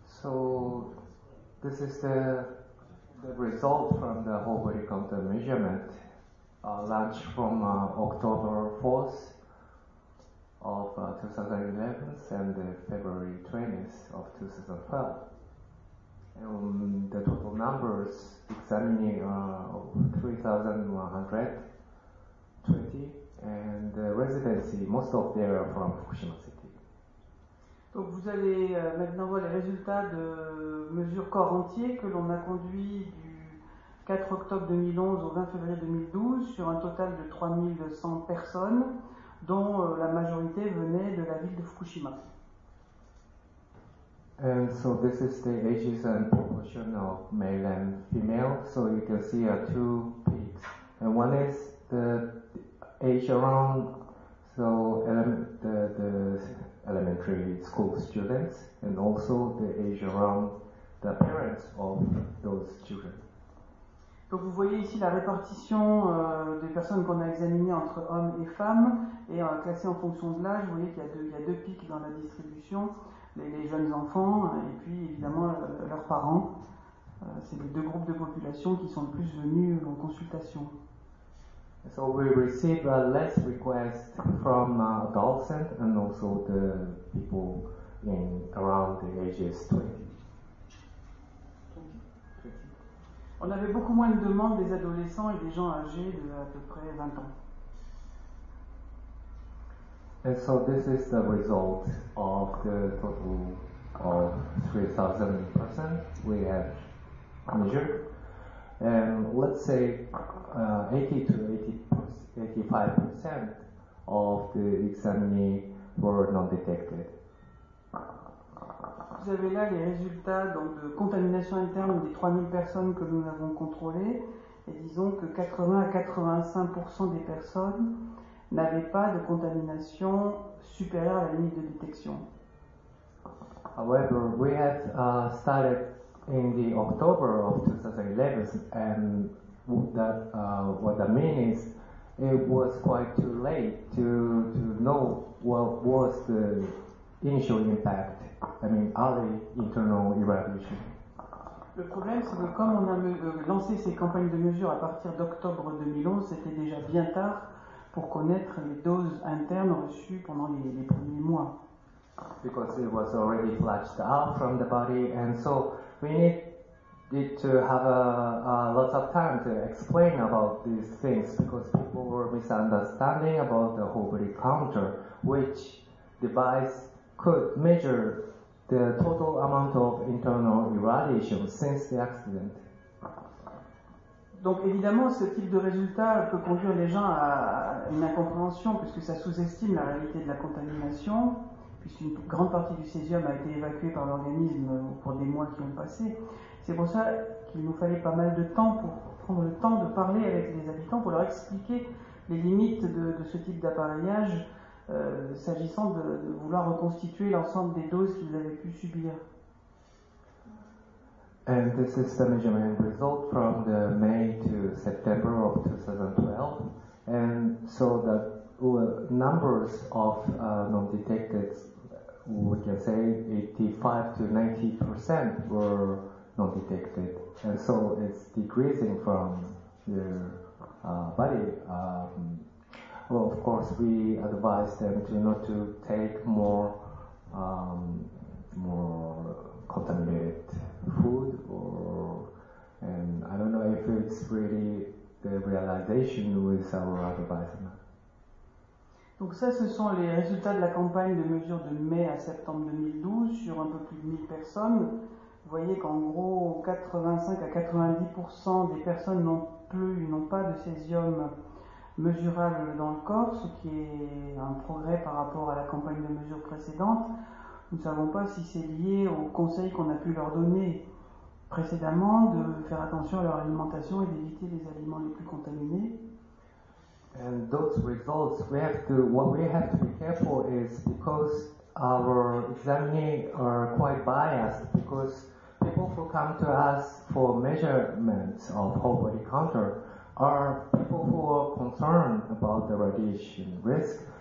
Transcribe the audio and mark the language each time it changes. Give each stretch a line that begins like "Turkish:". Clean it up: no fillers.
English: So, this is the result from the whole body counter measurement launched from October 4th of 2011 and February 20th of 2012. And the total numbers examining are 3,120, and the residency, most of them are from Fukushima City.
French: Donc vous allez maintenant voir les résultats de mesures corps entier que l'on a conduit du 4 octobre 2011 au 20 février 2012 sur un total de 3200 personnes dont la majorité venait de la ville de Fukushima.
English: And so this is the ages and proportion of male and female. So you can see there are two peaks. And one is the age around so the elementary school students, and also the age around the parents of those children.
French: Donc vous voyez ici la répartition des personnes qu'on a examinées entre hommes et femmes, et classées en fonction de l'âge. Vous voyez qu'il y a deux pics dans la distribution, les jeunes enfants, et puis évidemment leurs parents. C'est les deux groupes de population qui sont le plus venus en consultation.
English: So we received less requests from adults and also the people in around the ages 20.
French: On avait beaucoup moins de demandes des adolescents et des gens âgés de à peu près 20 ans.
English: And so this is the result of the total of 3,000 persons we have measured. And let's say 80 to 85% of the examinees were not detected.
French: Vous avez là les résultats donc de contamination interne des 3000 personnes que nous avons contrôlées, et disons que 80 à 85% des personnes n'avaient pas de contamination supérieure à la limite de détection.
English: However, we had started in the October of 2011, and that what that means is it was quite too late to know what was the initial impact, I mean early internal irradiation.
French: Le problème c'est que comme on a lancé ces campagnes de mesure à partir d'octobre 2011, c'était déjà bien tard pour connaître les doses internes reçues pendant les premiers mois.
English: Because it was already flushed out from the body, and so we needed to have a lot of time to explain about these things, because people were misunderstanding about the whole body counter, which device could measure the total amount of internal irradiation since the accident.
French: Donc évidemment, ce type de résultat peut conduire les gens à une incompréhension, puisque ça sous-estime la réalité de la contamination. Puisqu'une grande partie du césium a été évacuée par l'organisme pour des mois qui ont passé. C'est pour ça qu'il nous fallait pas mal de temps pour prendre le temps de parler avec les habitants, pour leur expliquer les limites de ce type d'appareillage s'agissant de vouloir reconstituer l'ensemble des doses qu'ils avaient pu subir.
English: And this is the measurement result from the May to September of 2012. And so the numbers of non-detected, we can say 85 to 90% were non-detected. And so it's decreasing from the body. Well, of course, we advise them to not to take more more contaminated food, or and I don't know if it's really the realization with our advice.
French: Donc ça, ce sont les résultats de la campagne de mesure de mai à septembre 2012 sur un peu plus de 1000 personnes. Vous voyez qu'en gros, 85 à 90% des personnes n'ont pas de césium mesurable dans le corps, ce qui est un progrès par rapport à la campagne de mesure précédente. Nous ne savons pas si c'est lié aux conseils qu'on a pu leur donner précédemment de faire attention à leur alimentation et d'éviter les aliments les plus contaminés.
English: And those results, what we have to be careful is because our examining are quite biased, because people who come to us for measurements of whole body counter are people who are concerned about the radiation risk.